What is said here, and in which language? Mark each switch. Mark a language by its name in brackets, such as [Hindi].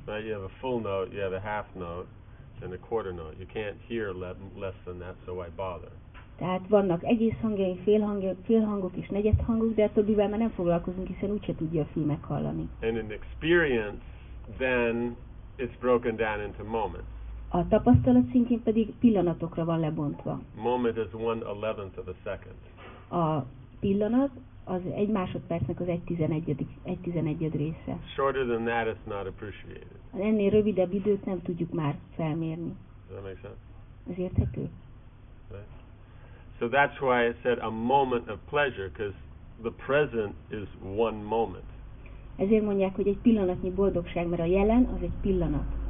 [English] Right, you have a full note, you have a half note, and a quarter note. You can't hear less than that, so why bother? [Hungarian] Tehát vannak egész hangjaink, fél hangok és negyed hangok, de többivel már nem foglalkozunk, hiszen úgyse tudja a fül meghallani. [English] And in experience, then it's broken down into moments. [Hungarian] A tapasztalat szintjén pedig pillanatokra van lebontva. [English] Moment is 1/11 of a second. [Hungarian] A pillanat az egy másodpercnek az 1/11 része. [English] Shorter than that, it's not appreciated. [Hungarian] Ennél rövidebb időt nem tudjuk már felmérni. [English] Does that make sense? [Hungarian] Ez érthető? [English] So that's why I said a moment of pleasure, because the present is one moment. [Hungarian] Ezért mondják, hogy egy pillanatnyi boldogság, mert a jelen az egy pillanat.